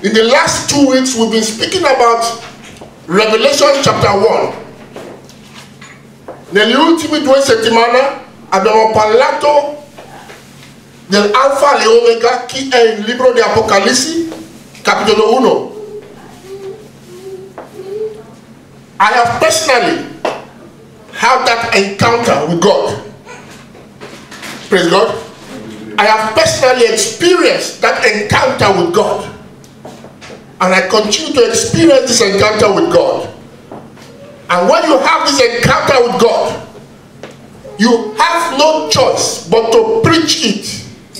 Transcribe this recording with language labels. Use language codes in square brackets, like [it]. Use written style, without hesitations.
[en] In the last 2 weeks, we've been speaking about Revelation chapter 1. [it] Negli ultimi due settimane abbiamo parlato del Alfa e Omega, che è il libro di Apocalisse, capitolo 1. [en] I have personally had that encounter with God. Praise God. I have personally experienced that encounter with God. And I continue to experience this encounter with God. And when you have this encounter with God, you have no choice but to preach it.